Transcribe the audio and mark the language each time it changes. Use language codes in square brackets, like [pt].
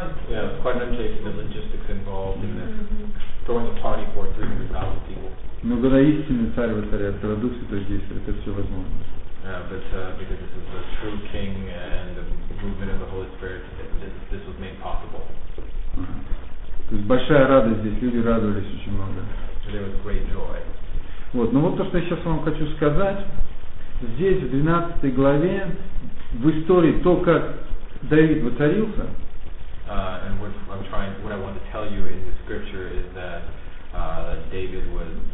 [en] Yeah, it was quite an undertaking. The logistics involved in this, throwing a party for 300,000 people. [ru] Но когда истинный царь воцаряет, тогда Дух Святой действует, это все возможно. [en] Because this is the true king and the movement of the Holy Spirit, this was made possible. [ru] То есть большая радость здесь, люди радовались очень много. [en] There was great joy. [ru] Вот, ну вот то, что я сейчас вам хочу сказать. Здесь, в 12 главе, в истории то, как Давид воцарился. [en] And what I want to tell you in the scripture is that David was